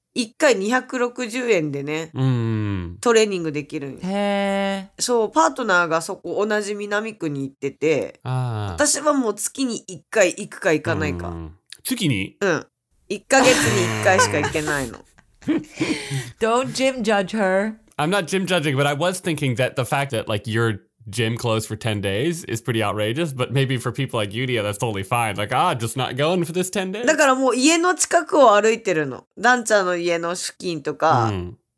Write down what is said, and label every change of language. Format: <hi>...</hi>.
<ja>1回260円でね、うん。トレーニングできるん。へぇ。そう、パートナーがそこ同じ南区に行ってて、あ、私はもう月に1回行くか行かないか。うん、月に? うん。 1ヶ月に1回しか行けないの。</ja> <en>Don't gym judge her. I'm not gym judging, but I was thinking that the fact that like your gym closed for 10 days is pretty outrageous, but maybe for people like Yuria, that's totally fine. Like, ah, just not going for this 10 days.</en> <ja>だからもう家の近くを歩いてるの。ダンちゃんの家の付近とか、mm.</ja>